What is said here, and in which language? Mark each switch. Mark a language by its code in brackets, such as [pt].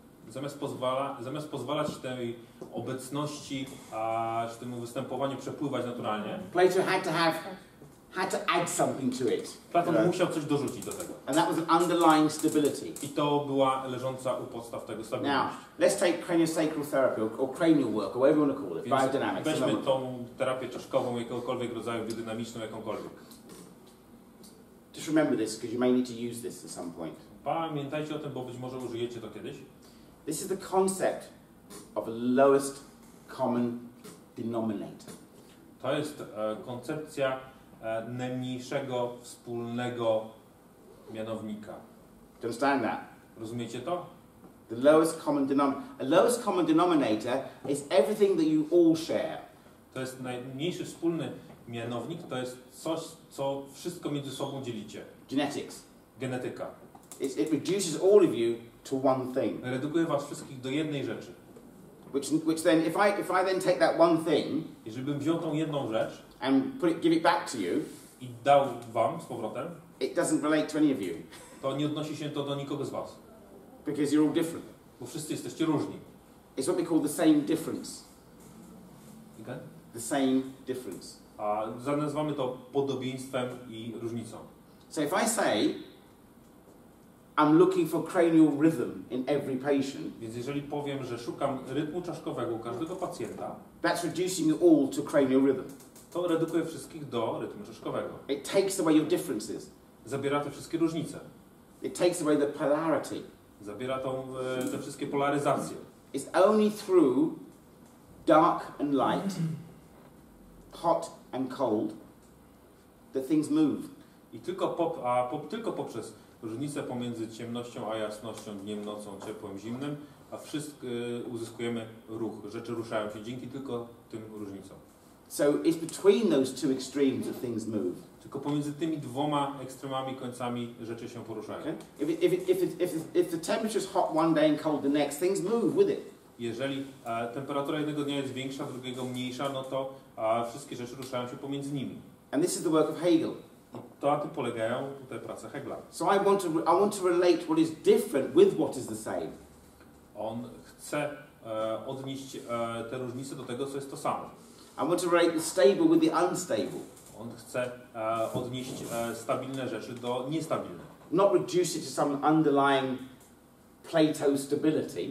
[pl] zamiast pozwalać tej obecności, czy temu występowaniu przepływać naturalnie. [en] Plato had to add something to it. [pl] Platon musiał coś dorzucić do tego. [en] And that was an underlying stability. [pl] I to była leżąca u podstaw tego stabilność. [en] Now, let's take craniosacral therapy or cranial work or whatever you want to call it, biodynamics. [pl] Weźmy tą terapię czaszkową jakiegokolwiek rodzaju, biodynamiczną jakąkolwiek. [en] Just remember this because you may need to use this at some point. [pl] Pamiętajcie o tym, bo być może użyjecie to kiedyś. [en] This is the concept of a lowest common denominator. [pl] To jest koncepcja najmniejszego wspólnego mianownika. [en] Do you understand that? [pl] Rozumiecie to? [en] The lowest common denominator. A lowest common denominator is everything that you all share. [pl] To jest najmniejszy wspólny mianownik, to jest coś, co wszystko między sobą dzielicie. [en] Genetics. [pl] Genetyka. [en] It reduces all of you to one thing. [pl] Reduguje was wszystkich do jednej rzeczy. [en] Which then, if I then take that one thing, [pl] jeżeli bym wziął tą jedną rzecz, [en] and put it, give it back to you, [pl] i dał wam z powrotem, [en] it doesn't relate to any of you. [pl] To nie odnosi się to do nikogo z was. [en] Because you're all different. [pl] Bo wszyscy jesteście różni. [en] It's what we call the same difference. Again? The same difference. [pl] A nazywamy to podobieństwem i różnicą. [en] So if I say I'm looking for cranial rhythm in every patient. [pl] Więc jeżeli powiem, że szukam rytmu czaszkowego u każdego pacjenta, [en] that's reducing you all to cranial rhythm. [pl] To redukuje wszystkich do rytmu czaszkowego. [en] It takes away your differences. [pl] Zabiera te wszystkie różnice. [en] It takes away the polarity. [pl] Zabiera te wszystkie polaryzacje. [en] It's only through dark and light, hot and cold, that things move. [pl] I tylko poprzez różnicę pomiędzy ciemnością a jasnością, dniem, nocą, ciepłym, zimnym, a wszystko uzyskujemy ruch. Rzeczy ruszają się dzięki tylko tym różnicom. [en] So it's between those two extremes that things move. [pl] Tylko pomiędzy tymi dwoma ekstremami końcami rzeczy się poruszają. [en] Okay? If the temperature is hot one day and cold the next, things move with it. [pl] Jeżeli temperatura jednego dnia jest większa, drugiego mniejsza, no to wszystkie rzeczy ruszają się pomiędzy nimi. [en] And this is the work of Hegel. [pl] To na tym polegają te prace Hegla. [en] So I want to relate what is different with what is the same. [pl] On chce odnieść te różnice do tego, co jest to samo. [en] I want to relate the stable with the unstable. [pl] On chce odnieść stabilne rzeczy do niestabilnych. [en] Not reduce it to some underlying Plato stability.